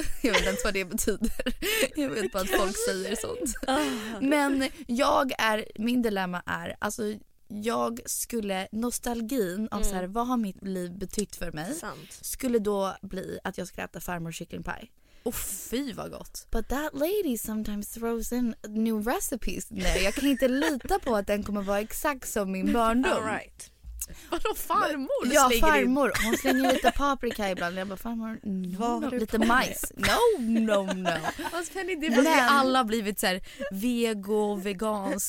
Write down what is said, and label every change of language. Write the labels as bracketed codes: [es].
[sv] Jag vet inte vad det betyder. Jag vet bara att folk säger sånt. Men jag är, min dilemma är, alltså jag skulle, nostalgin av så här, vad har mitt liv betytt för mig? Sant. Skulle då bli att jag skulle äta farmor chicken pie. Och fy vad gott. [en] But that lady sometimes throws in new recipes. [sv] Nej, jag kan inte lita på att den kommer vara exakt som min barndom. [en] All right. [sv] Vadå, farmor? Ja, farmor. Hon slänger lite paprika ibland. Jag bara, farmor, no, lite majs. [en] No, no, no. [sv] Men alla blivit så här vego, vegan.